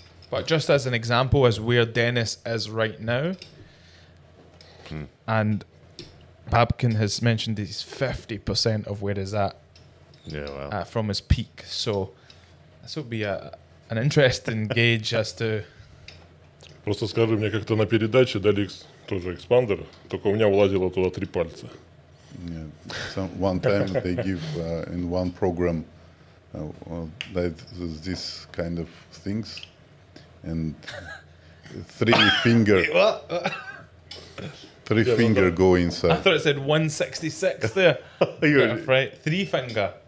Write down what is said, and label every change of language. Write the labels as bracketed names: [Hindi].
[English] But just as an example, as where Denis is right now, and Babkin has mentioned he's 50% of where he's at. Yeah, well. From his peak. So this will be an interesting gauge as to... [Russian] Просто скажи мне, как-то на передаче дали тоже экспандер, только у меня влазило туда три пальца. [English] Yeah, some one time they give in one program that this kind of things and three finger three yeah, finger go inside. I thought it said 166 there. You're right. Three finger.